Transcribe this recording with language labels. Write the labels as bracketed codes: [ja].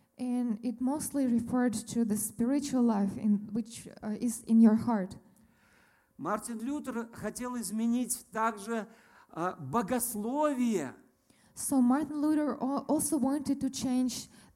[en] And it mostly referred to the spiritual life in which is in your heart. [ru] Мартин Лютер хотел изменить также богословие. [en] So Martin Luther also wanted to change